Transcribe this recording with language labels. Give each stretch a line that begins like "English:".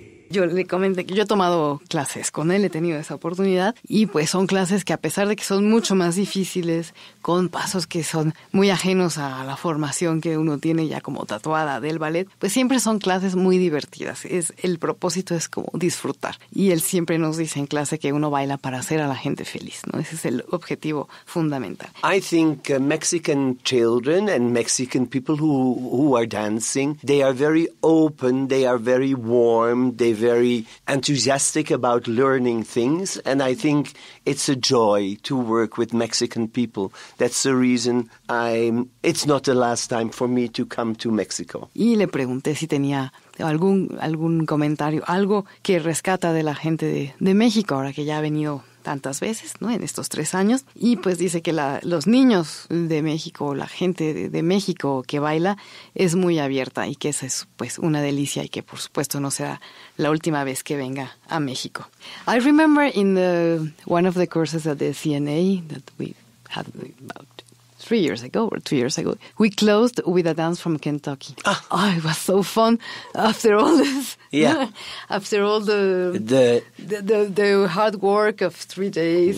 Spanish: Yo le comenté que yo he tomado clases con él, he tenido esa oportunidad, y pues son clases que, a pesar de que son mucho más difíciles, con pasos que son muy ajenos a la formación que uno tiene ya como tatuada del ballet, pues siempre son clases muy divertidas. El propósito es como disfrutar. Y él siempre nos dice en clase que uno baila para hacer a la gente feliz, ¿no? Ese es el objetivo fundamental.
English: I think Mexican children and Mexican people who are dancing, they are very open, they are very warm, they're very enthusiastic about learning things, and I think it's a joy to work with Mexican people. That's the reason it's not the last time for me to come to Mexico.
Spanish: Y le pregunté si tenía algún comentario, algo que rescata de la gente de México ahora que ya ha venido tantas veces, ¿no? En estos 3 años. Y pues dice que los niños de México, la gente de México que baila, es muy abierta y que esa es pues una delicia y que por supuesto no será la última vez que venga a México.
English: I remember in one of the courses at the CNA that we had about 3 years ago or 2 years ago, we closed with a dance from Kentucky. Ah. Oh, it was so fun after all this. Yeah. After all the hard work of 3 days.